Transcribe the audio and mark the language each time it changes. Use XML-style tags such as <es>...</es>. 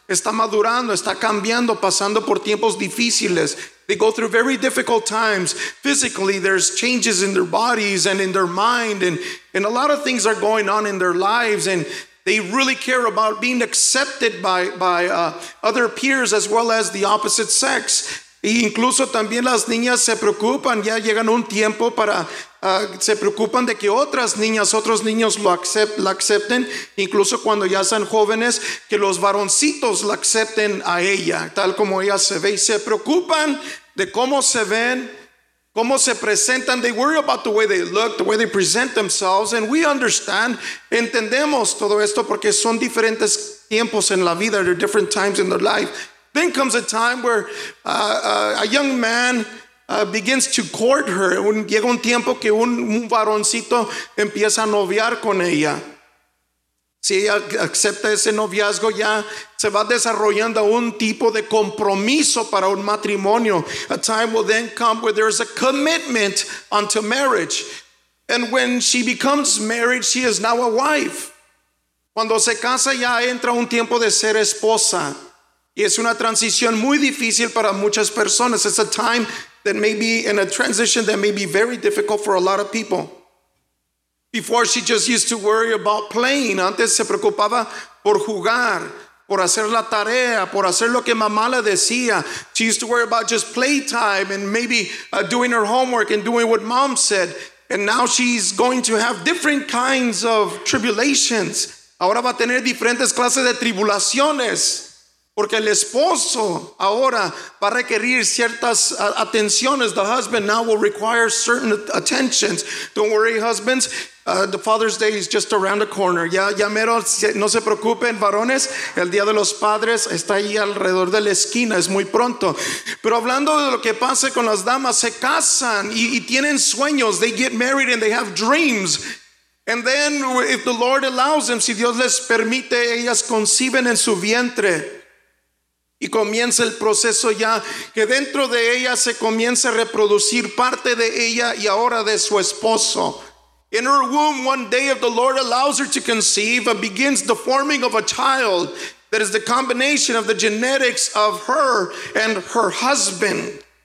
<es>Está madurando, está cambiando, pasando por tiempos difíciles.</es> <en>They go through very difficult times. Physically, there's changes in their bodies and in their mind, and a lot of things are going on in their lives, and they really care about being accepted by other peers as well as the opposite sex.</en> <es>E incluso también las niñas se preocupan, ya llegan un tiempo para, se preocupan de que otras niñas, otros niños la acepten, incluso cuando ya son jóvenes, que los varoncitos la acepten a ella, tal como ella se ve. Y se preocupan de cómo se ven, cómo se presentan.</es> <en>They worry about the way they look, the way they present themselves, and we understand,</en> <es>entendemos todo esto porque son diferentes tiempos en la vida,</es> <en>they're different times in their life. Then comes a time where a young man begins to court her.</en> <es>Llega un tiempo que un varoncito empieza a noviar con ella. Si ella acepta ese noviazgo, ya se va desarrollando un tipo de compromiso para un matrimonio.</es> <en>A time will then come where there is a commitment unto marriage. And when she becomes married, she is now a wife.</en> <es>Cuando se casa, ya entra un tiempo de ser esposa. Y es una transición muy difícil para muchas personas.</es> <en>It's a time that may be in a transition that may be very difficult for a lot of people. Before, she just used to worry about playing.</en> <es>Antes se preocupaba por jugar, por hacer la tarea, por hacer lo que mamá le decía.</es> <en>She used to worry about just playtime and maybe doing her homework and doing what mom said. And now she's going to have different kinds of tribulations.</en> <es>Ahora va a tener diferentes clases de tribulaciones. Porque el esposo ahora va a requerir ciertas atenciones.</es> <en>The husband now will require certain attentions. Don't worry, husbands. The Father's Day is just around the corner.</en> <es>Ya mero, no se preocupen, varones. El Día de los Padres está ahí alrededor de la esquina. Es muy pronto. Pero hablando de lo que pasa con las damas, se casan y tienen sueños.</es> <en>They get married and they have dreams. And then if the Lord allows them,</en> <es>si Dios les permite, ellas conciben en su vientre. Y comienza el proceso ya que dentro de ella se comienza a reproducir parte de ella y ahora de su esposo.</es> <en>In her womb, one day if the Lord allows her to conceive, begins the forming of a child that is the combination of the genetics of her and her husband.</en>